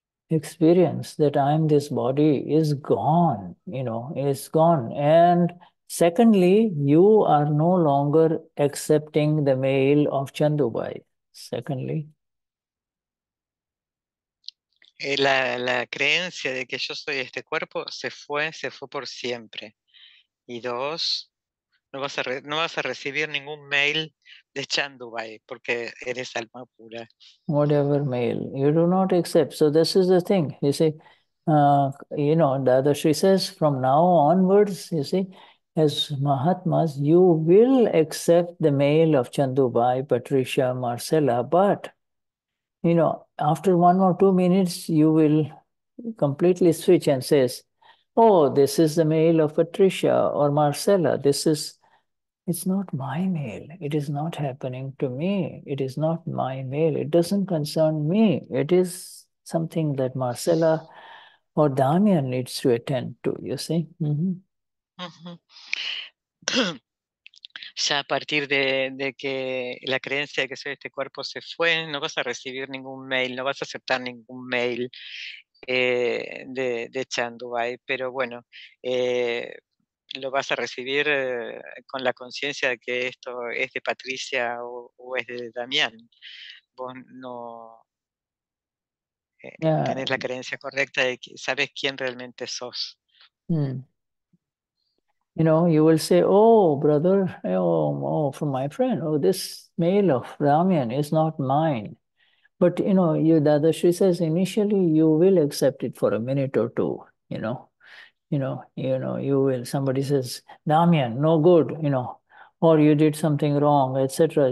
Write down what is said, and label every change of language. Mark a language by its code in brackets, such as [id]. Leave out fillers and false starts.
[en] Your exact experience that I'm this body is gone, you know, is gone. And secondly, you are no longer accepting the male of Chandubai. Secondly. [es] La creencia de que yo soy este cuerpo se fue por siempre. Y dos, no vas a recibir ningún mail de Chandubai porque eres alma pura. [en] Whatever mail, you do not accept. So this is the thing, you see. Dadashri says, from now onwards, you see, as Mahatmas, you will accept the mail of Chandubai, Patricia, Marcella, but, you know, after 1 or 2 minutes, you will completely switch and says, oh, this is the mail of Patricia or Marcella. It's not my mail. It is not happening to me. It is not my mail. It doesn't concern me. It is something that Marcella or Damian needs to attend to, you see? Mm-hmm. [es] Ya a partir de que la creencia de que soy este cuerpo se fue, no vas a recibir ningún mail, no vas a aceptar ningún mail de Chandubai, pero bueno, lo vas a recibir con la conciencia de que esto es de Patricia o es de Damián. Vos no tenés la creencia correcta de que sabes quién realmente sos. Mm. [en] You know, you will say, oh, brother, oh, from my friend, oh, this mail of Ramyan is not mine. But, you know, Dadashri says, initially, you will accept it for a minute or two, you will, somebody says, Ramyan, no good, you know, or you did something wrong, etc.